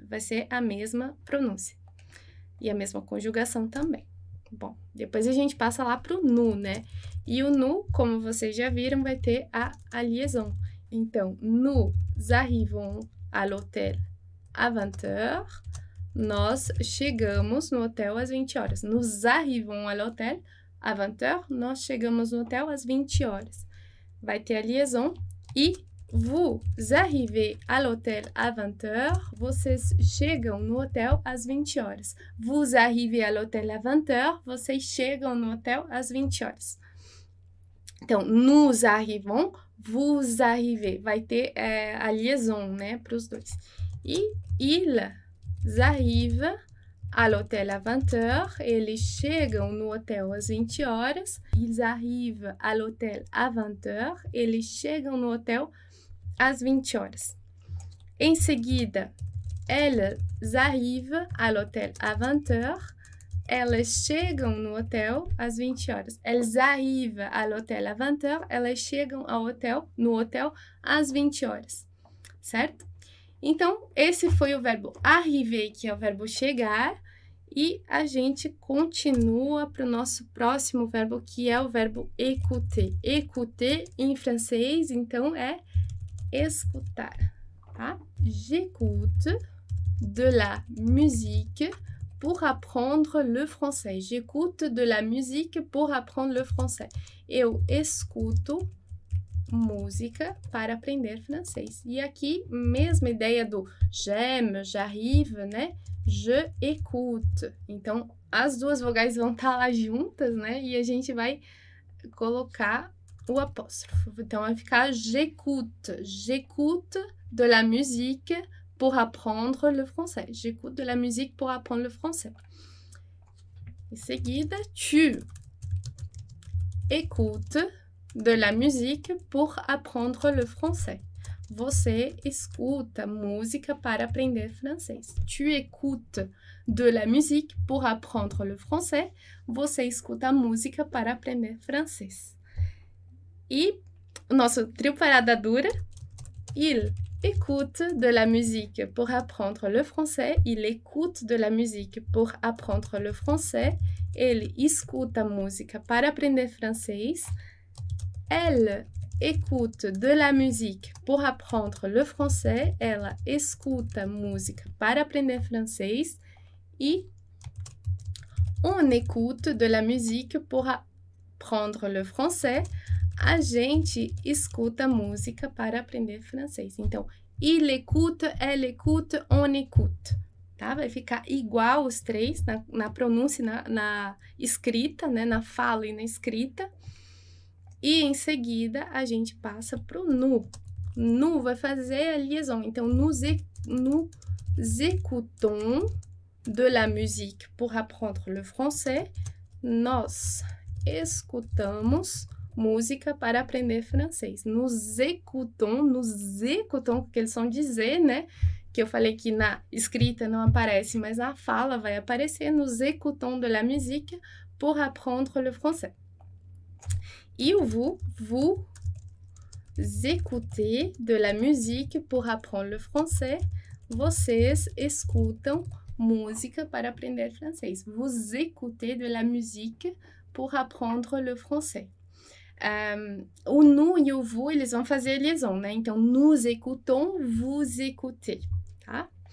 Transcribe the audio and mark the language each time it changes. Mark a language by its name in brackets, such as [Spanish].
[Portuguese] Vai ser a mesma pronúncia. E a mesma conjugação também. Bom, depois a gente passa lá para o nu, né? E o nu, como vocês já viram, vai ter a liaison. [French] Então, nous arrivons à l'hôtel à 20 heures. [Portuguese] Nós chegamos no hotel às 20 horas. [French] Nous arrivons à l'hôtel à 20 heures. [Portuguese] Nós chegamos no hotel às 20 horas. Vai ter a liaison. [French] E vous arrivez à l'hôtel à 20 heures. [Portuguese] Vocês chegam no hotel às 20 horas. [French] Vous arrivez à l'hôtel à 20 heures. [Portuguese] Vocês chegam no hotel às 20 horas. Então, [French] nous arrivons, vous arrivez. [Portuguese] Vai ter a liaison, né, para os dois. [French] E ils arrivent à l'hôtel à 20 heures. [Portuguese] Eles chegam no hotel às 20 horas. [French] Ils arrivent à l'hôtel à 20 heures. [Portuguese] Eles chegam no hotel às 20 horas. Em seguida, [French] elles arrivent à l'hôtel à 20 heures. [Portuguese] Elas chegam no hotel às 20 horas. [French] Elles arrivent à l'hôtel à 20 heures. [Portuguese] Elas chegam ao hotel, no hotel às 20 horas. Certo? Então, esse foi o verbo arriver, que é o verbo chegar. E a gente continua para o nosso próximo verbo, que é o verbo écouter. Écouter em francês, então, é escutar. Tá? [French] J'écoute de la musique pour apprendre le français. J'écoute de la musique pour apprendre le français. [Portuguese] Eu escuto música para aprender francês. E aqui, mesma ideia do [French] j'aime, j'arrive, [Portuguese] né? [French] Je écoute. [Portuguese] Então, as duas vogais vão estar lá juntas, né? E a gente vai colocar o apóstrofo. Então, vai ficar [French] j'écoute. J'écoute de la musique pour apprendre le français. J'écoute de la musique pour apprendre le français. [Portuguese] Em seguida, [French] tu écoute de la musique pour apprendre le français. [Portuguese] Você escuta música para aprender francês. [French] Tu écoutes de la musique pour apprendre le français. [Portuguese] Você escuta música para aprender francês. E nosso trio parada dura. [French] Il écoute de la musique pour apprendre le français. Il écoute de la musique pour apprendre le français. [Portuguese] Ele escuta música para aprender francês. [French] Elle écoute de la musique pour apprendre le français. [Portuguese] Ela escuta música para aprender francês. [French] E on écoute de la musique pour apprendre le français. [Portuguese] A gente escuta música para aprender francês. [French] Então, il écoute, elle écoute, on écoute. Tá? [Portuguese] Vai ficar igual os três na pronúncia, na escrita, né? Na fala e na escrita. E em seguida, a gente passa para o nu. Nu vai fazer a liaison. [French] Então, nous écoutons de la musique pour apprendre le français. [Portuguese] Nós escutamos música para aprender francês. [French] Nous écoutons, [Portuguese] que eles são dizer, né? Que eu falei que na escrita não aparece, mas na fala vai aparecer. [French] Nous écoutons de la musique pour apprendre le français. E o vous écoutez de la musique pour apprendre le français. [Portuguese] Vocês escutam música para aprender francês. [French] Vous écoutez de la musique pour apprendre le français. [Portuguese] O nous e o vous, eles vão fazer a liaison, né? [French] Então, nous écoutons, vous écoutez, tá?